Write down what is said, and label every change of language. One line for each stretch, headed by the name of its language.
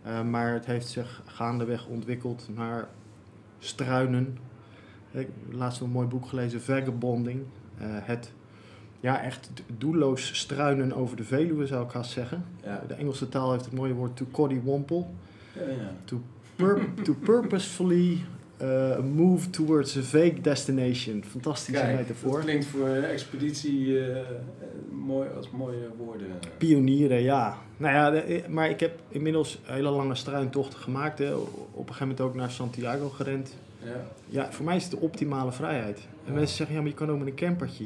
Dutch: Maar het heeft zich gaandeweg ontwikkeld naar struinen. Ik heb laatst een mooi boek gelezen, Vagabonding. Echt doelloos struinen over de Veluwe, zou ik haast zeggen. Ja. De Engelse taal heeft het mooie woord to coddywomple. Ja.
English: To purposefully... move towards a vague destination.
Dutch: Fantastische metafoor. Dat klinkt voor expeditie mooi als mooie woorden. Pionieren, ja. Nou ja, maar ik heb inmiddels hele lange struintochten gemaakt. Hè. Op een gegeven moment ook naar Santiago gerend. Ja. Ja, voor mij is het de optimale vrijheid. En ja. Mensen zeggen, ja, maar je kan ook met een campertje.